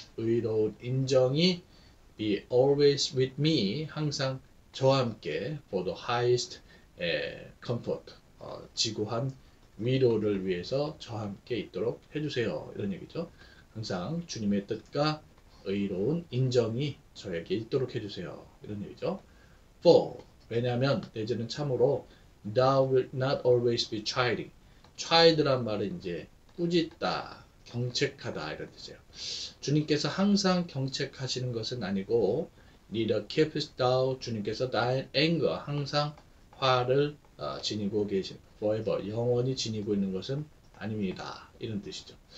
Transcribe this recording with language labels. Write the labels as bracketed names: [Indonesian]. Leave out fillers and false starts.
[Korean] 의로운 인정이 [English] be always with me, [Korean] 항상 저와 함께 [English] for the highest comfort, [Korean] 지구한 위로를 위해서 저와 함께 있도록 해주세요. 이런 얘기죠. 항상 주님의 뜻과 의로운 인정이 저에게 있도록 해주세요. 이런 얘기죠. [English] For, [Korean] 왜냐하면 내지는 참으로 [English] Thou will not always be chiding. [Korean] Chide란 말은 이제 꾸짖다, 경책하다 이런 뜻이에요. 주님께서 항상 경책하시는 것은 아니고 [English] Neither keepest thou, [Korean] 주님께서 [English] thine anger, [Korean] 항상 화를 지니고 계신 forever, 영원히 지니고 있는 것은 아닙니다. 이런 뜻이죠.